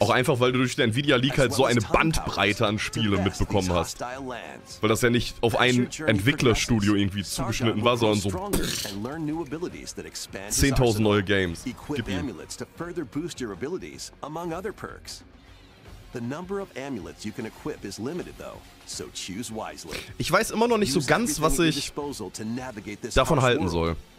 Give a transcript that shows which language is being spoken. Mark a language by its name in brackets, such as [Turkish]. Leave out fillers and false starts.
[German] Auch einfach, weil du durch den Nvidia League halt so eine Bandbreite an Spielen mitbekommen hast. Weil das ja nicht auf ein Entwicklerstudio irgendwie zugeschnitten war, sondern so 10.000 neue Games. [English] Gib amulets to further boost your abilities among other perks. The number of amulets you can equip is limited though. So choose wisely. [German] Ich weiß immer noch nicht so ganz, was ich davon halten soll.